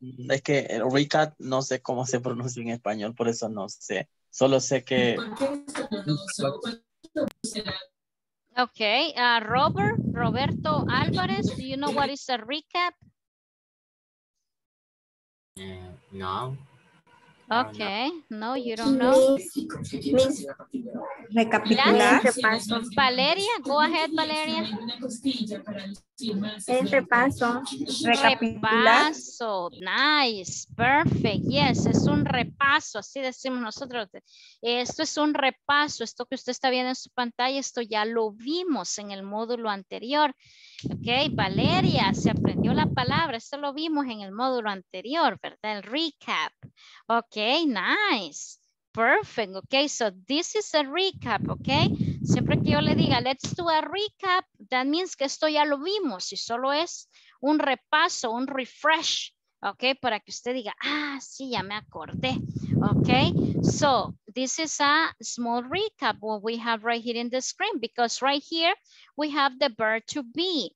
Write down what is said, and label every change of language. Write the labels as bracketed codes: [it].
[es] Es que el recap, no sé cómo se pronuncia en español, por eso no sé. Solo sé que... [en] Okay, Roberto Álvarez, do you know what is a recap? No. Okay, no, you don't know. [es] Recapitular. [en] Valeria, go ahead, Valeria. [es] Repaso. [en] Repaso, nice, perfect. [es] Yes, es un repaso, así decimos nosotros. Esto es un repaso, esto que usted está viendo en su pantalla, esto ya lo vimos en el módulo anterior. Ok, Valeria, se aprendió la palabra, esto lo vimos en el módulo anterior, ¿verdad? El recap. [en] Ok, nice. Perfect. Okay, so this is a recap. Okay, siempre que yo le diga, let's do a recap, that means que esto ya lo vimos y solo es un repaso, un refresh. [es] Okay, para que usted diga, ah, sí, ya me acordé. [en] Okay, so this is a small recap what we have right here in the screen, because right here we have the verb to be.